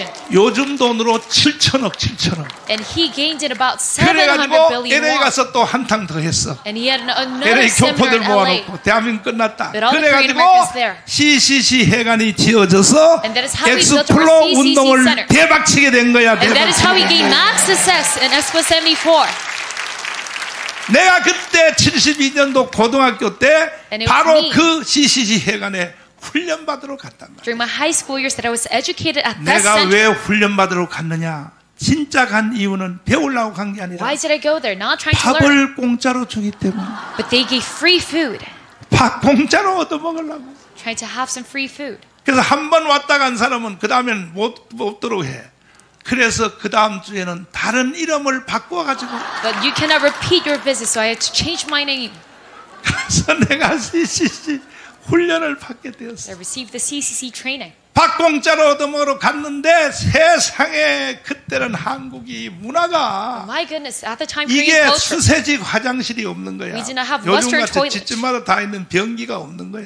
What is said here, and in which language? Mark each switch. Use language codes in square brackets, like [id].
[ko] 요즘 돈으로 7천억 7천억. [en] And he gained it about 700 billion. [ko] LA 가서 또 한탕 더 했어. [en] And he had another LA [ko] 교포들 모아놓고 대한민국 끝났다. 그래 가지고 CCC 해관이 지어져서 엑스플로 운동을 대박 치게 된 거야. [en] And that is how he gained mass success in Expo 74. [ko] 내가 그때 72년도 고등학교 때 바로 그 CCC 해관에 훈련받으러 갔단 말이야. [en] During my high school years that I was educated at that [ko] 내가 [en] center. [ko] 왜 훈련받으러 갔느냐? 진짜 간 이유는 배우려고 간 게 아니라 [en] Why did I go there? Not trying to learn. [ko] 밥을 공짜로 주기 때문에. [en] But they gave free food. [ko] 밥 공짜로 얻어먹으려고. [en] Trying to have some free food. [ko] 그래서 한 번 왔다 간 사람은 그 다음엔 못 들어오게 해. 그래서 그 다음 주에는 다른 이름을 바꿔 가지고 [en] But you cannot repeat your visit so I had to change my name. [ko] 그래서 내가 CCC 훈련을 받게 되었어. [en] I received the CCC training. [ko] 박공짜로 얻어먹으러 갔는데 세상에 그때는 한국이 문화가 [en] oh my goodness, at the time, [ko] 이게 수세집 화장실이 없는 거야. 요즘같이 집집마다 다 있는 변기가 없는 거야.